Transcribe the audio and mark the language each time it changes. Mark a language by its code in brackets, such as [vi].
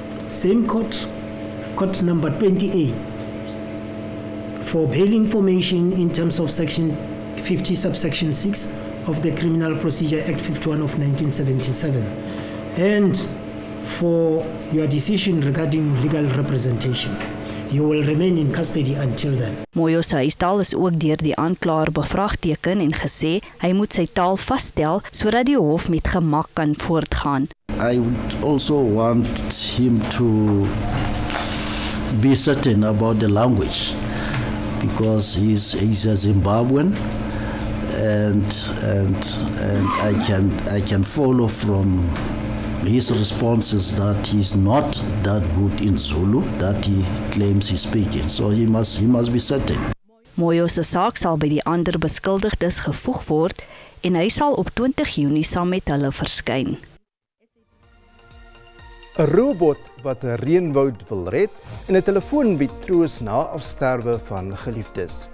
[en] Same court, court number 20A. For bail information in terms of section 50 subsection 6 of the Criminal Procedure Act 51 of 1977 and for your decision regarding legal representation. You will remain in custody until then. [af] Moyo se huistaal is ook deur die aanklaer bevraagteken en gesê hy moet sy taal vasstel sodat die hof met gemak kan voortgaan. [en] I would also want him to be certain about the language, because he's a Zimbabwean and I can follow from his responses that he's not that good in Zulu that he claims he's speaking. So he must be certain. [af] Moyo se saak sal by die ander beskuldigdes gevoeg word en hy sal op 20 Junie saam met hulle verskyn. 'N robot wat 'n reënwoud wil red en 'n telefoon bied troos na afsterwe van geliefdes.